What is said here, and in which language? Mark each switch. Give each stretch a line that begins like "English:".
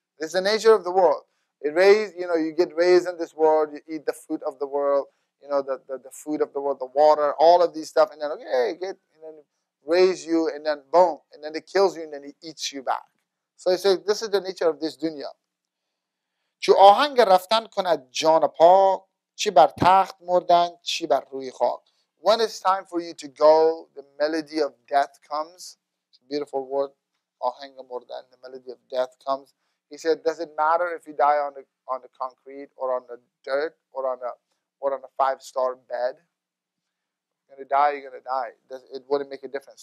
English: It's the nature of the world. It raised, you know, you get raised in this world, you eat the fruit of the world. You know, the food of the world, the water, all of these stuff. And then, okay, get, and then raise you, and then boom. And then it kills you, and then it eats you back. So he says, this is the nature of this dunya.
Persian: چو آهنگ رفتن کند جان پاک چی بر تخت مردن چی بر روی خاک.
English: When it's time for you to go, the melody of death comes. It's a beautiful word,
Persian: آهنگ مردن,
English: the melody of death comes. He said, does it matter if you die on the concrete or on the dirt or on a five-star bed? You're going to die, you're going to die. It wouldn't make a difference.